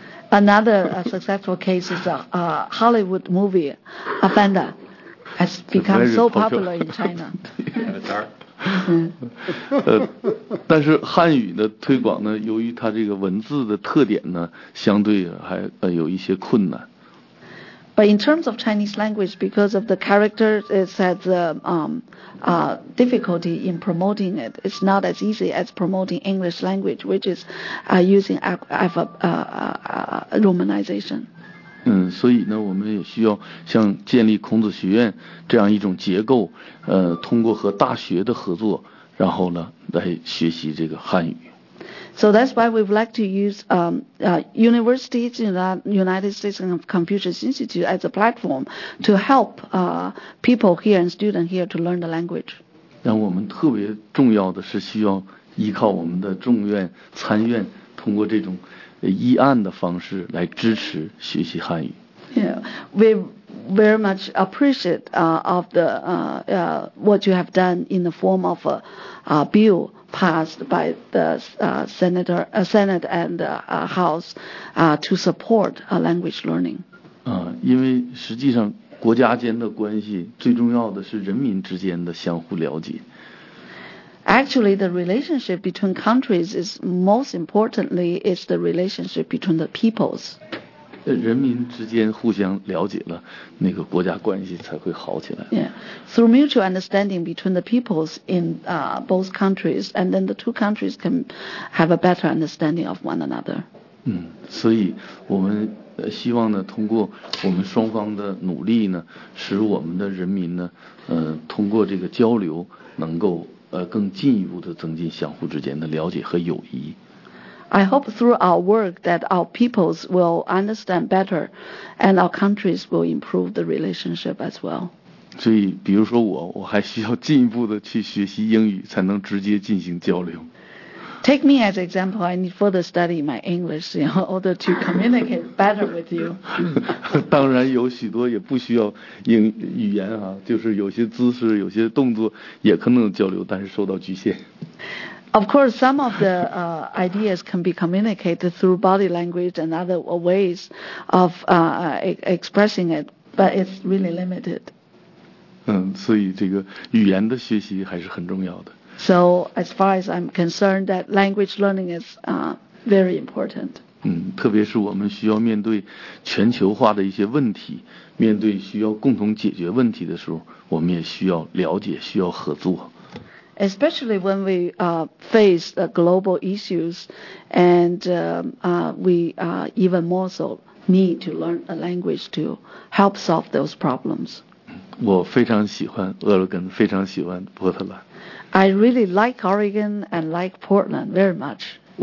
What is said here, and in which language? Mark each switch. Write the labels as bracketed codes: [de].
[en] Another successful case is a Hollywood movie, A Panda, has become so popular in China. Avatar. [zh] 但是汉语的推广呢，由于它这个文字的特点呢，相对还有一些困难。 [en] But in terms of Chinese language, because of the character, it has difficulty in promoting it. It's not as easy as promoting English language, which is using romanization. [zh] 所以呢，我们也需要像建立孔子学院这样一种结构，通过和大学的合作，然后呢，来学习这个汉语。 [en] So that's why we'd like to use universities in the United States and Confucius Institute as a platform to help people here and students here to learn the language. [zh] 那我们特别重要的是需要依靠我们的众院参院，通过这种议案的方式来支持学习汉语。 [en] Yeah, we very much appreciate of the what you have done in the form of a bill. Passed by the Senate and House to support language learning. [zh] 因为实际上国家间的关系最重要的是人民之间的相互了解。 [en] Actually, the relationship between countries is most importantly is the relationship between the peoples. [zh] 人民之间互相了解了，那个国家关系才会好起来。 [en] Yeah, through mutual understanding between the peoples in both countries, and then the two countries can have a better understanding of one another. [zh] 所以我们希望呢，通过我们双方的努力呢，使我们的人民呢，通过这个交流，能够更进一步的增进相互之间的了解和友谊。 [en] I hope through our work that our peoples will understand better and our countries will improve the relationship as well. [zh] 所以比如说我还需要进一步的去学习英语才能直接进行交流。 [en] Take me as example, I need further study my English in order to communicate better with you. [zh] 当然有许多也不需要语言啊，就是有些姿势有些动作也可能交流，但是受到局限。 [en] Of course, some of the ideas can be communicated through body language and other ways of expressing it, but it's really limited. [zh] 所以这个语言的学习还是很重要的。 [en] So, as far as I'm concerned, that language learning is very important. [zh] 特别是我们需要面对全球化的一些问题，面对需要共同解决问题的时候，我们也需要了解，需要合作。 [en] Especially when we face global issues, and we even more so need to learn a language to help solve those problems. [zh] 我非常喜欢俄勒根，非常喜欢波特兰。 [en] I really like Oregon and like Portland very much.